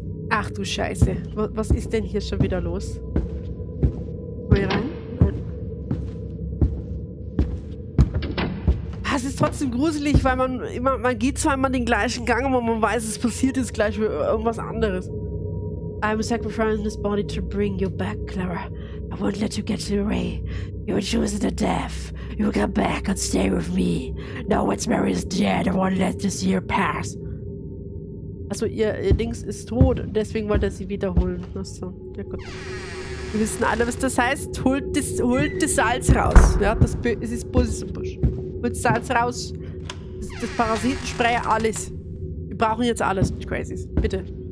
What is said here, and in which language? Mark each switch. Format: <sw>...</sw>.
<de>Ach du Scheiße. Was ist denn hier schon wieder los? Wollen wir rein? Es ist trotzdem gruselig, weil man immer, man geht zwar immer den gleichen Gang, aber man weiß, es passiert jetzt gleich irgendwas anderes.</de> <en>I'm sacrificing this body to bring you back, Clara. I won't let you get away. You will choose the death. You will come back and stay with me. Now once Mary is dead, I won't let this year pass.</en> <de>Also ihr Dings ist tot und deswegen wollte er sie wiederholen. Achso, ja gut. Wir wissen alle, was das heißt. Holt das Salz raus. Ja, es ist Busch. Holt das Salz raus. Das Parasitenspray, alles. Wir brauchen jetzt alles, nicht Crazies. Bitte.</de>